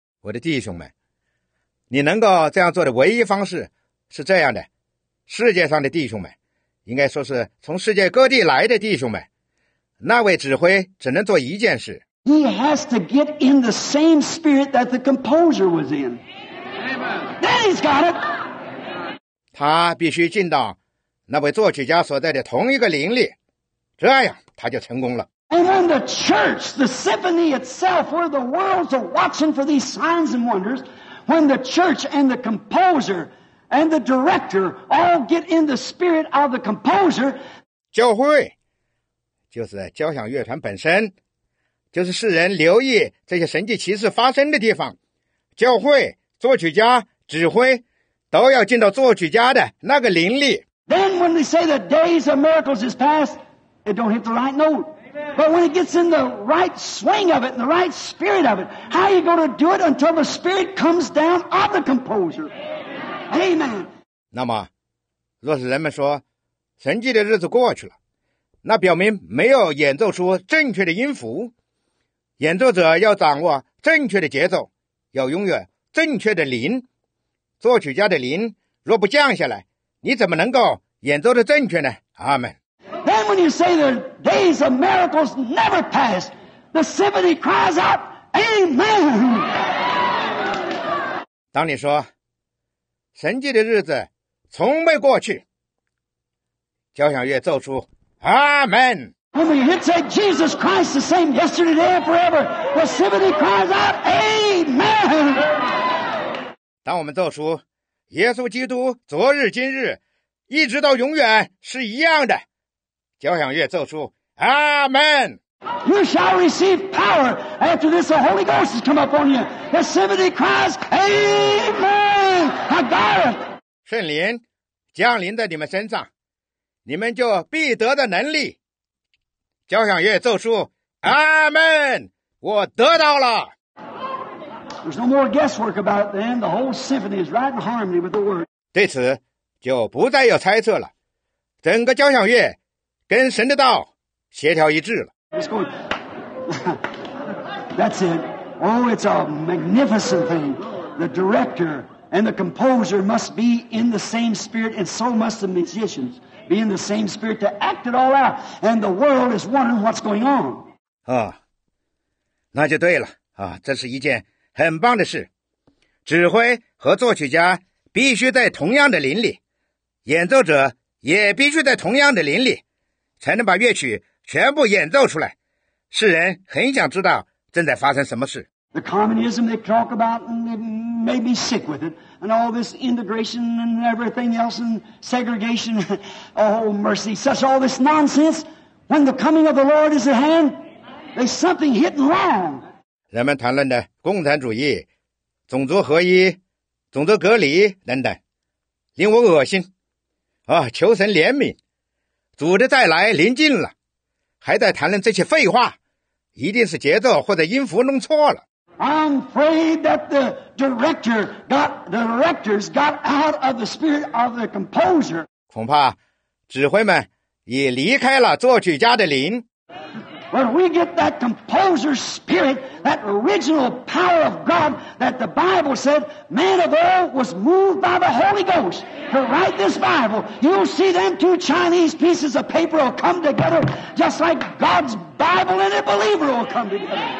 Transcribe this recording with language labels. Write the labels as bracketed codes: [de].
[zh] 我的弟兄们，你能够这样做的唯一方式是这样的。世界上的弟兄们，应该说是从世界各地来的弟兄们，那位指挥只能做一件事。 [en] He has to get in the same spirit that the composer was in. Then he's got it. [zh] 他必须进到那位作曲家所在的同一个灵里，这样他就成功了。 [en] And then the church, the symphony itself, where the world's watching for these signs and wonders, when the church and the composer and the director all get in the spirit of the composer, [zh] 教会就是交响乐团本身，就是世人留意这些神迹奇事发生的地方，教会、作曲家、指挥都要进到作曲家的那个灵力。 [en] Then when they say the days of miracles is past, it don't hit the right note. But when it gets in the right swing of it, and the right spirit of it, how are you going to do it until the spirit comes down of the composer? Amen. [zh] 那么若是人们说神迹的日子过去了，那表明没有演奏出正确的音符，演奏者要掌握正确的节奏，要拥有正确的灵，作曲家的灵若不降下来，你怎么能够演奏的正确呢？阿们。 [en] Then when you say the days of miracles never pass, the symphony cries out, Amen. [zh] 当你说神迹的日子从未过去，交响乐奏出Amen. [en] When we hit say Jesus Christ the same yesterday, today, and forever, the symphony cries out, Amen. [zh] 当我们奏出耶稣基督昨日今日一直到永远是一样的，交响乐奏出 Amen. [en] You shall receive power after this the Holy Ghost has come upon you. The symphony cries, Amen. I got it. [zh] 圣灵降临在你们身上，你们就必得的能力。交响乐奏出阿们，我得到了。 [en] There's no more guesswork about it then. The whole symphony is right in harmony with the word. [zh] 对此就不再有猜测了，整个交响乐跟神的道协调一致了。 [en] That's it. Oh, it's a magnificent thing. The director and the composer must be in the same spirit, and so must the musicians be in the same spirit to act it all out. And the world is wondering what's going on. [zh] 啊，那就对了啊，这是一件很棒的事。指挥和作曲家必须在同样的林里，演奏者也必须在同样的林里，才能把乐曲全部演奏出来。世人很想知道正在发生什么事。 [en] The communism they talk about may be sick with it, and all this integration and everything else and segregation. Oh mercy, such all this nonsense. When the coming of the Lord is at hand, there's something hitting wrong. [zh] 人们谈论的共产主义、种族合一、种族隔离等等，令我恶心。啊，求神怜悯，主的再来临近了，还在谈论这些废话，一定是节奏或者音符弄错了。 [en] I'm afraid that the director got the directors got out of the spirit of the composer. [zh] 恐怕指挥们已离开了作曲家的灵。 [en] But we get that composer spirit, that original power of God that the Bible said man of old was moved by the Holy Ghost to write this Bible. You'll see them two Chinese pieces of paper will come together just like God's Bible and a believer will come together.